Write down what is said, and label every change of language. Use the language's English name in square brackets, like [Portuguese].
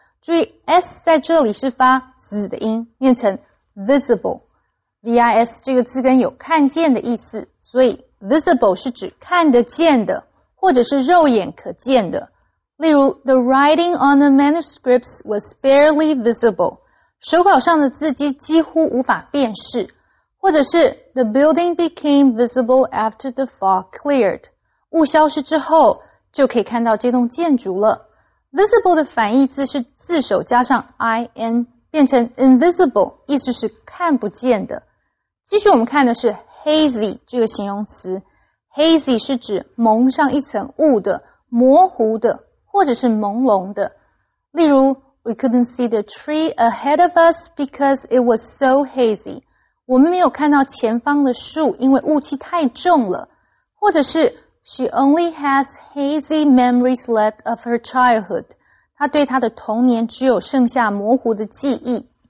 [Chinese] 注意 S 在这里是发 Z 的音，念成 visible。 V-I-S 这个字根有看见的意思，所以 visible 是指看得见的，或者是肉眼可见的。 [English] 例如 The writing on the manuscripts was barely visible. [Chinese] 手稿上的字迹几乎无法辨识。 [English] 或者是 The building became visible after the fog cleared. [Chinese] 雾消失之后就可以看到这栋建筑了。 Visible 的反义字是字首加上 I-N, 变成 invisible, 意思是看不见的。继续我们看的是 hazy 这个形容词。 hazy 是指蒙上一层雾的、模糊的或者是朦胧的。 [English] 例如 ,we couldn't see the tree ahead of us because it was so hazy. [Chinese] 我们没有看到前方的树因为雾气太重了。 [English] 或者是 ,she only has hazy memories left of her childhood. [Chinese] 她对她的童年只有剩下模糊的记忆。